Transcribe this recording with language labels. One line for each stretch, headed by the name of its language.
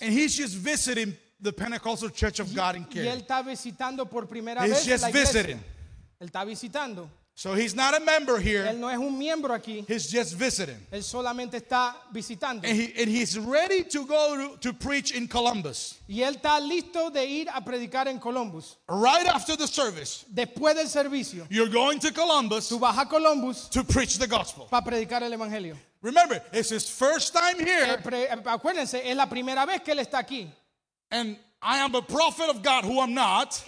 English: And he's just visiting the Pentecostal Church of God in Cary.
Spanish: Y él está visitando por primera
English: he's
Spanish: vez la
English: iglesia. He's just visiting.
Spanish: Él está visitando.
English: So he's not a member here.
Spanish: Él no es un miembro aquí.
English: He's just visiting.
Spanish: Él solamente está visitando.
English: And he's ready to go to preach in Columbus.
Spanish: Y él está listo de ir a predicar en Columbus.
English: Right after the service.
Spanish: Después del servicio.
English: You're going to Columbus.
Spanish: Tú vas a Columbus.
English: To preach the gospel.
Spanish: Para predicar el evangelio.
English: Remember, it's his first time here.
Spanish: Acuérdense, es la primera vez que él está aquí.
English: And I am a prophet of God who I'm not.